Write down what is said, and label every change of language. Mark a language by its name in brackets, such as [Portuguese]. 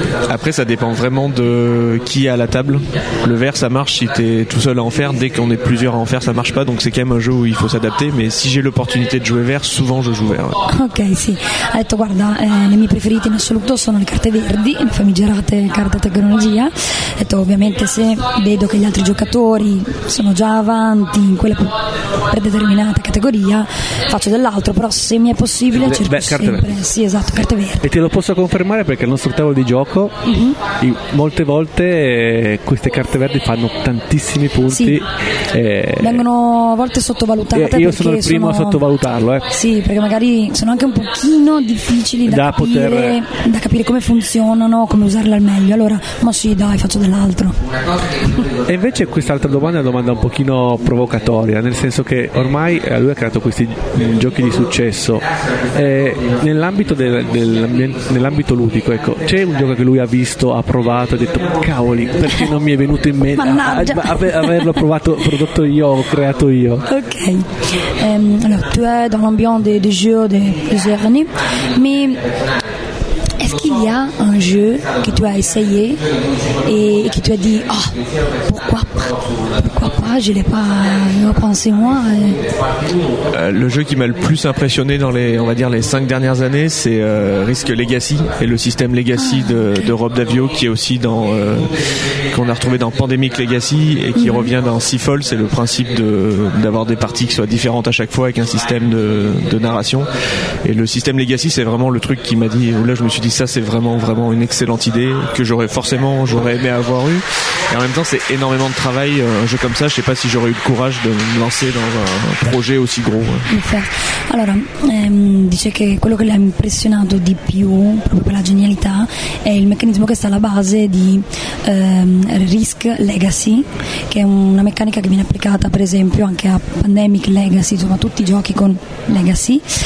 [French] Après, ça dépend vraiment de qui est à la table. Le vert, ça marche si t'es tout seul à en faire. Dès qu'on est plusieurs à en faire, ça marche pas. Donc c'est quand même un jeu où il faut s'adapter. Mais si j'ai l'opportunité de jouer vert, souvent je joue vert. Ouais. Ok, si. [Italian] Ha detto, guarda, le mie preferite in assoluto sono le carte verdi, le famigerate carte tecnologia. Ha detto, ovviamente se vedo che gli altri giocatori sono già avanti in quella predeterminata categoria, faccio dell'altro. Però se mi è possibile, cerco sempre. Sì, esatto, carte verdi. E te lo posso confermare perché il nostro tavolo di gioco, mm-hmm, molte volte queste carte verdi fanno tantissimi punti. Sì. Vengono a volte sottovalutate. Io sono il primo a sottovalutarlo. Sì, perché magari sono anche un pochino difficili da capire, da capire come funzionano, come usarle al meglio. Allora, ma sì, dai, faccio dell'altro. E invece quest'altra domanda è una domanda un pochino provocatoria, nel senso che ormai lui ha creato questi giochi di successo. Nell'ambito nell'ambito ludico, ecco, c'è un gioco che lui ha visto, ha provato, ha detto cavoli, perché non mi è venuto in mente averlo provato, prodotto io, ho creato io? [French] Ok, allora tu è dans l'ambiance des jeux de plusieurs années, mais est-ce qu'il y a un jeu que tu as essayé et que tu as dit oh, pourquoi pas je l'ai pas pensé moi? Le jeu qui m'a le plus impressionné dans les, on va dire, les 5 dernières années, c'est Risk Legacy et le système Legacy de Rob Davio, qui est aussi dans qu'on a retrouvé dans Pandemic Legacy et qui revient dans Seafall. C'est le principe d'avoir des parties qui soient différentes à chaque fois avec un système de narration, et le système Legacy c'est vraiment le truc qui m'a dit, là je me suis dit ça c'est vraiment une excellente idée que j'aurais aimé avoir eu. Et en même temps c'est énormément de travail, un jeu comme ça je sais pas si j'aurais eu le courage de me lancer dans un projet aussi gros. [Italian] Allora, dice che quello che l'ha impressionato di più, proprio per la genialità, è il meccanismo che sta alla base di Risk Legacy, che è una meccanica che viene applicata per esempio anche a Pandemic Legacy, insomma tutti i giochi con Legacy.